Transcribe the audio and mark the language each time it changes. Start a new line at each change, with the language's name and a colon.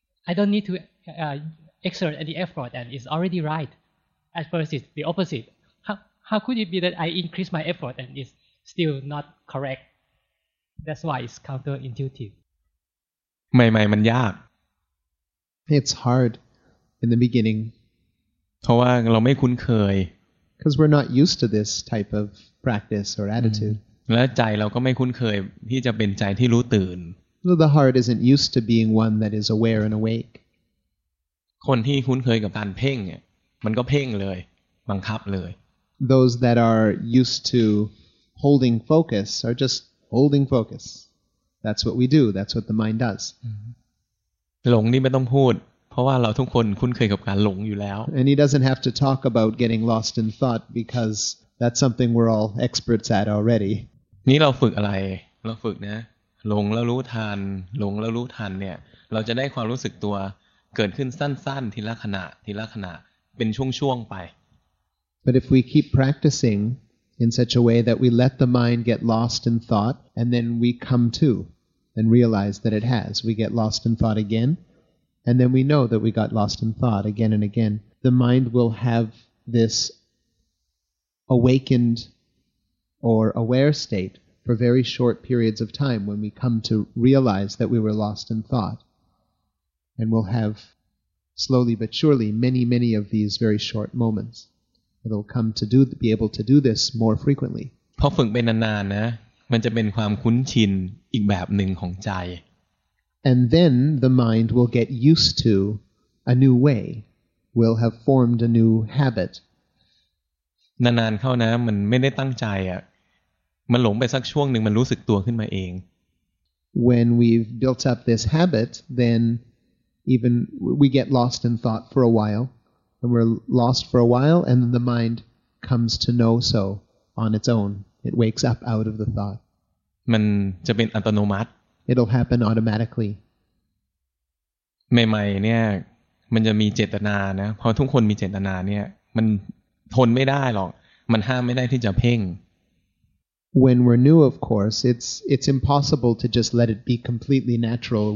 English: I don't need to exert any effort and it's already right at first it's the opposite how could it be that I increase my effort and it's still not correct that's why it's counterintuitive
Thai: ใหม่ๆมันยาก
English: It's hard in the beginning
Thai: เพราะว่าเราไม่คุ้นเคย
English: Because we're not used to this type of practice or attitude
Thai: และใจเราก็ไม่คุ้นเคยที่จะเป็นใจที่รู้ตื่น
English: So the heart isn't used to being one that is aware and awake
Thai: คนที่คุ้นเคยกับการเพ่งเนี่ยมันก็เพ่งเลยบังคับเลย
English: Those that are used to holding focus are just holding focusThat's what we do. That's what the mind does.
Thai: หลงนี่ไม่ต้องพูดเพราะว่าเราทุกคนคุ้นเคยกับการหลงอยู่แล้ว
English: And he doesn't have to talk about getting lost in thought because that's something we're all experts at already.
Thai: นี่เราฝึกอะไรเราฝึกนะหลงแล้วรู้ทันหลงแล้วรู้ทันเนี่ยเราจะได้ความรู้สึกตัวเกิดขึ้นสั้นๆทีละขณะทีละขณะเป็นช่วงๆไป
English: But if we keep practicing in such a way that we let the mind get lost in thought and then we come toand realize that it has. We get lost in thought again, and then we know that we got lost in thought again and again. The mind will have this awakened or aware state for very short periods of time when we come to realize that we were lost in thought. And we'll have slowly but surely many, many of these very short moments. It'll come to be able to do this more frequently.
Thai: พอฝึกไปนานๆนะมันจะเป็นความคุ้นชินอีกแบบหนึ่งของใจ
English: And then the mind will get used to a new way, will have formed a new habit.
Thai: นานๆเข้านะมันไม่ได้ตั้งใจอ่ะมันหลงไปสักช่วงหนึ่งมันรู้สึกตัวขึ้นมาเอง
English: When we've built up this habit, then even we get lost in thought for a while, and we're lost for a while, and then the mind comes to know so on its own. It wakes up out of the thought.
Thai: มันจะเป็นอัตโนมัติ
English: It'll happen automatically.
Thai: ใหม่ๆเนี่ยมันจะมีเจตนานะพอทุกคนมีเจตนาเนี่ยมันทนไม่ได้หรอกมันห้ามไม่ได้ที่จะเพ่ง
English: When we're new, of course, it's impossible to just let it be completely natural.